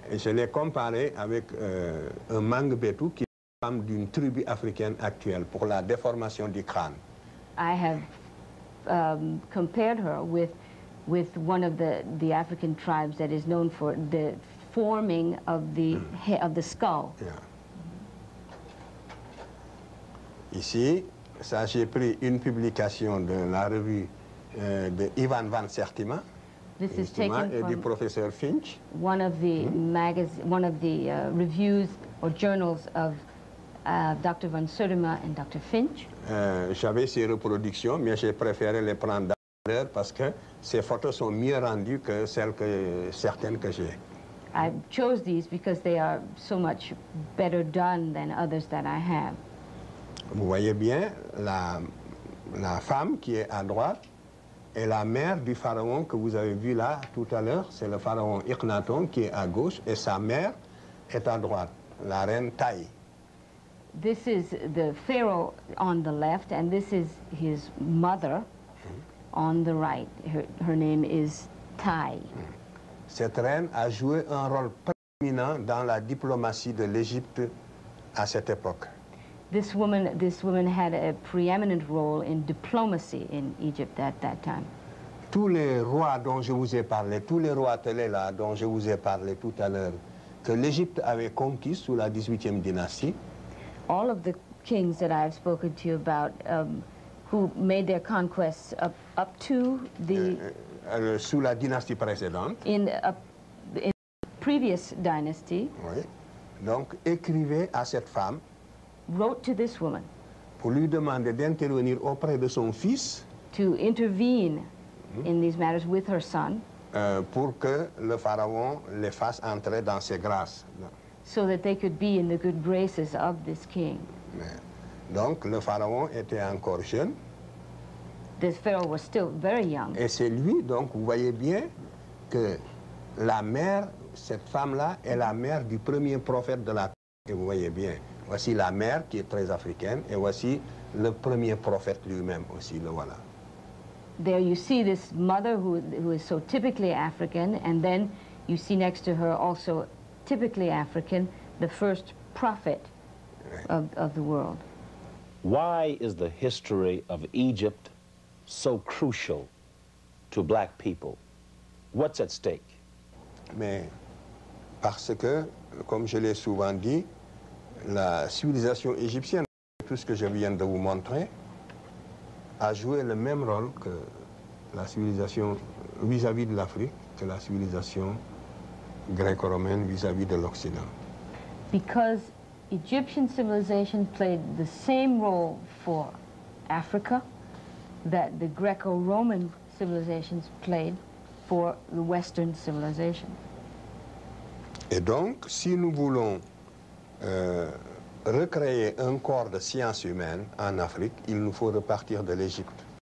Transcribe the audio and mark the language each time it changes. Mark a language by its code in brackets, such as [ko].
[fr] Et je l'ai comparé avec un Mangbetu qui est une femme d'une tribu africaine actuelle pour la déformation du crâne. [en] I have compared her with one of the African tribes that is known for the forming of the of the skull. Yeah. [fr] Ici, ça j'ai pris une publication de la revue de Ivan Van Sertima. [en] This is taken from [fr] du professeur Finch. [en] One of the reviews or journals of Dr. Van Sertima and Dr. Finch. [fr] J'avais ces reproductions, mais j'ai préféré les prendre d'ailleurs parce que ces photos sont mieux rendues que celles que certaines que j'ai. [en] I chose these because they are so much better done than others that I have. [fr] Vous voyez bien, la femme qui est à droite est la mère du pharaon que vous avez vu là tout à l'heure. C'est le pharaon Akhenaton qui est à gauche et sa mère est à droite, la reine Taï. [en] This is the pharaoh on the left, and this is his mother on the right. Her name is Thai. [fr] Cette reine a joué un rôle prééminent dans la diplomatie de l'Égypte à cette époque. [en] This woman had a preeminent role in diplomacy in Egypt at that time. [fr] Tous les rois dont je vous ai parlé, tous les rois télés là dont je vous ai parlé tout à l'heure, que l'Égypte avait conquis sous la 18e dynastie, [en] all of the kings that I have spoken to you about who made their conquests up to the [fr] sous la dynastie précédente [en] in previous dynasty. [fr] Oui. Donc écrivait à cette femme, [en] wrote to this woman, [fr] pour lui demander d'intervenir auprès de son fils, [en] to intervene in these matters with her son, [fr] pour que le pharaon les fasse entrer dans ses grâces, [en] so that they could be in the good graces of this king. [fr] Donc, le pharaon était encore jeune. [en] This pharaoh was still very young. [fr] Et c'est lui, donc, vous voyez bien que la mère, cette femme-là, est la mère du premier prophète de la terre. Et vous voyez bien, voici la mère qui est très africaine, et voici le premier prophète lui-même aussi, le voilà. [en] There you see this mother who is so typically African, and then you see next to her also typically African, the first prophet of the world. Why is the history of Egypt so crucial to black people? What's at stake? [fr] Mais parce que, comme je l'ai souvent dit, la civilisation égyptienne, tout ce que je viens de vous montrer, a joué le même rôle que la civilisation vis-à-vis de l'Afrique, que la civilisation gréco-romaine vis-à-vis de l'Occident. [en] Because Egyptian civilization played the same role for Africa that the Greco-Roman civilizations played for the Western civilization. [fr] Et donc, si nous voulons recréer un corps de science humaine en Afrique, il nous faut repartir de l'Égypte.